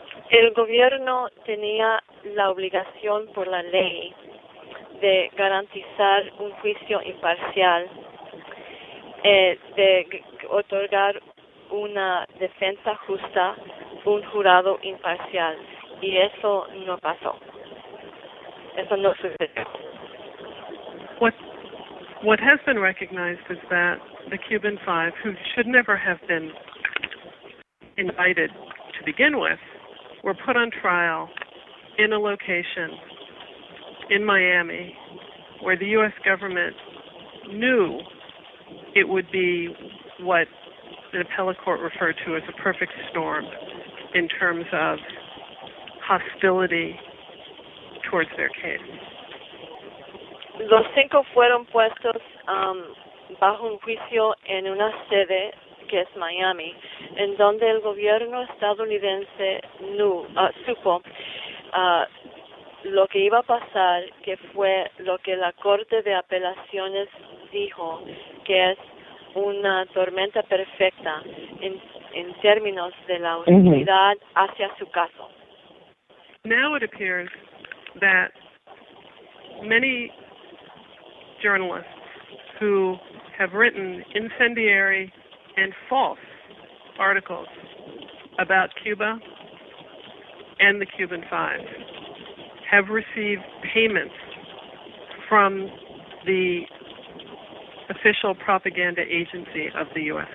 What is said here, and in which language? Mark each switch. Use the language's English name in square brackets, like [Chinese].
[Spanish] El gobierno tenía la obligación por la ley de garantizar un juicio imparcial, de otorgar una defensa justa, un jurado imparcial, y eso no pasó. Eso no sucedió. [English] What has been recognized is that the Cuban Five, who should never have been invited to begin with, were put on trial in a location in Miami where the U.S. government knew it would be what the appellate court referred to as a perfect storm in terms of hostility towards their case. [Spanish] Los cinco fueron puestos bajo un juicio en una sede que es Miami, en donde el gobierno estadounidense supo lo que iba a pasar, que fue lo que la Corte de Apelaciones dijo, que es una tormenta perfecta en términos de la hostilidad hacia su caso. [English] Now it appears that many journalists who have written incendiary and false articles about Cuba and the Cuban Five have received payments from the official propaganda agency of the U.S.